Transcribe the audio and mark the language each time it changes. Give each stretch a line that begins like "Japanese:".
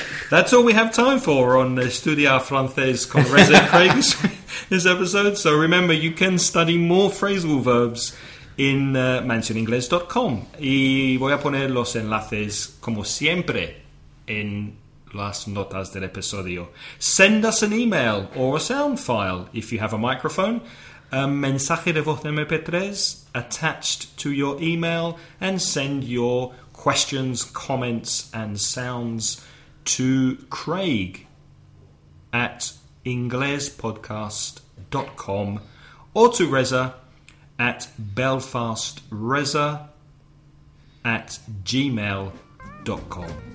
English: That's all we have time for on Studia Francaise con Reza and Craig this episode. So remember, you can study more phrasal verbs in mansioningles.com.
Spanish: Y voy a poner los enlaces, como siempre, en las notas del episodio.
English: Send us an email or a sound file if you have a microphone.
Spanish: A mensaje de voz de MP3
English: attached to your email, and send your questions, comments, and sounds to Craig at inglespodcast.com or to Reza at belfastreza@gmail.com.